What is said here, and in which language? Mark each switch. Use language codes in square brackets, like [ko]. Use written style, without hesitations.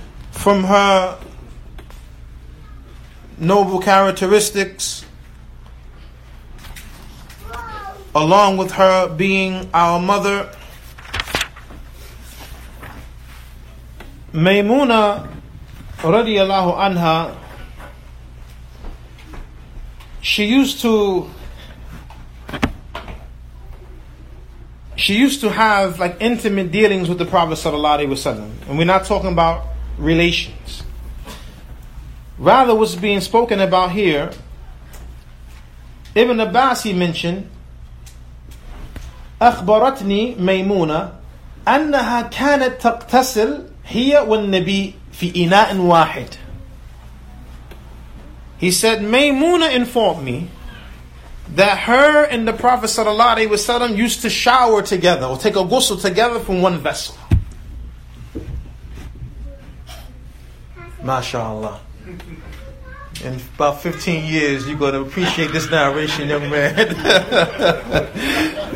[en] From her noble characteristics, along with her being our mother, Maymuna radiyallahu anha, she used to have like intimate dealings with the Prophet sallallahu alaihi wasallam, and we're not talking about relations. Rather, what's being spoken about here, Ibn Abbas, he mentioned, [ar] أخبرتني ميمونة أنها كانت تقتسل هي والنبي في إناء واحد. [en] He said, Maymuna informed me that her and the Prophet sallallahu alaihi wasallam used to shower together or take a ghusl together from one vessel. MashaAllah. In about 15 years, you're going to appreciate this narration, young man.